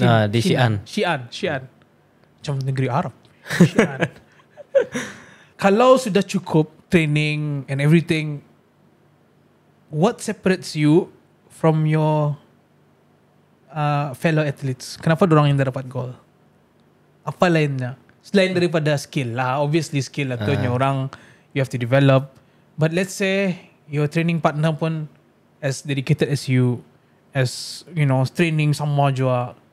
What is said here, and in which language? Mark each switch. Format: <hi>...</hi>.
<ms>Di Xi'an. Macam negeri Arab. Xi'an. Kalau sudah cukup</ms> <en>training and everything, what separates you from your fellow athletes?</en> <ms>Kenapa dorang yang dapat gold? Apa lainnya? Selain daripada skill lah.</ms> <en>Obviously skill</en> <ms>lah tu orang</ms> <en>you have to develop. But let's say your training partner pun as dedicated as you, as you know, training</en> <ms>sama juga.</ms>